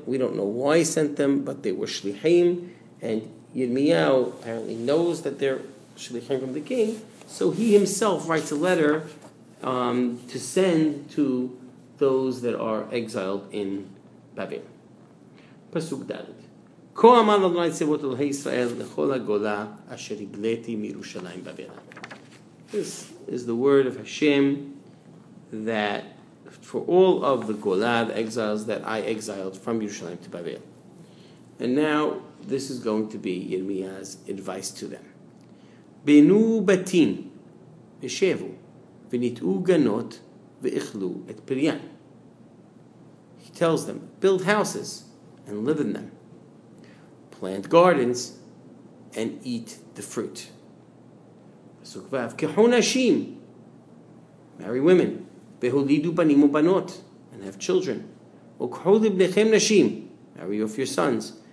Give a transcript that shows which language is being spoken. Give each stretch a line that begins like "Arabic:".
English: We don't know why he sent them, but they were Shlichim, and Yirmiyahu apparently knows that they're Shlichim from the king, so he himself writes a letter to send to those that are exiled in Babel. Pasuk Dalet.
Hebrew: כה אמר אדוני צבאות אלוהי ישראל לכל הגולה אשר הגלתי מירושלים בבל.
English: This is the word of Hashem that for all of the golah, the exiles that I exiled from Yerushalayim to Babel. And now this is going to be Yirmiyah's advice to them.
Hebrew: בנו בתים ושבו וניטעו גנות ואכלו את פריין.
English: He tells them, build houses and live in them. Plant gardens and eat the fruit. Pasuk Vav.
Hebrew: Kehu nashim.
English: Marry women.
Hebrew: Behulidu banim ubanot.
English: And have children.
Hebrew: Ukhu libnechem nashim.
English: Marry off your sons.